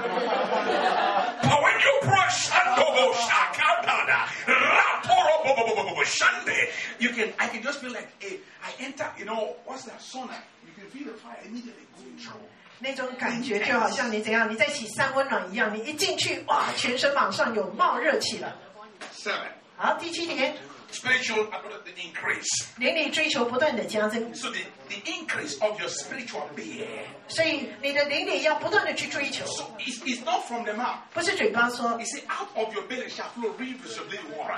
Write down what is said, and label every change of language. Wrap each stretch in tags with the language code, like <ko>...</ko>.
<en>But when you brush and go shakatana, raporo bo bo bo bo bo bo shande, you can, I can just feel like, hey, I enter, you know, what's that sauna? You can feel the fire immediately going through.</en> <zh>那种感觉就好像你怎样，你在洗三温暖一样，你一进去，哇，全身马上有冒热气了。</zh> <en>Seven.</en> <zh>好，第七点。</zh> <en>Spiritual increase.</en> <zh>连你追求不断的加增。</zh> <en>So the increase of your spiritual being.</en> <zh>所以你的灵里要不断的去追求。</zh> <en>So it's not from the mouth.</en> <zh>不是嘴巴说。</zh> <en>It's out of your belly shall flow rivers of living water.</en>